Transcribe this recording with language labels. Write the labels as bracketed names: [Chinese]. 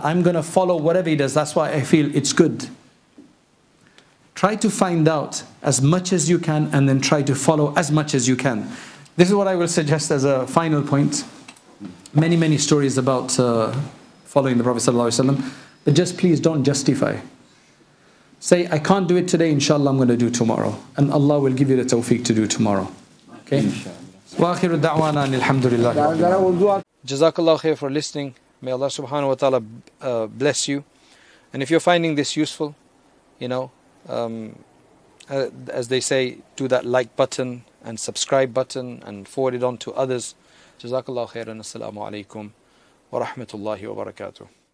[English] I'm going to follow whatever he does. That's why I feel it's good. Try to find out as much as you can and then try to follow as much as you can. This is what I will suggest as a final point. Many, many stories about following the Prophet ﷺ. But just please don't justify. Say, I can't do it today, inshallah I'm going to do tomorrow. And Allah will give you the tawfiq to do tomorrow. Okay? [Arabic] وآخر الدعوانا أن الحمد لله. جزاك الله خير [English] for listening. May Allah subhanahu wa ta'ala bless you. And if you're finding this useful, you know, as they say, do that like button and subscribe button and forward it on to others. [Arabic] جزاك الله خير. السلام عليكم ورحمة الله وبركاته.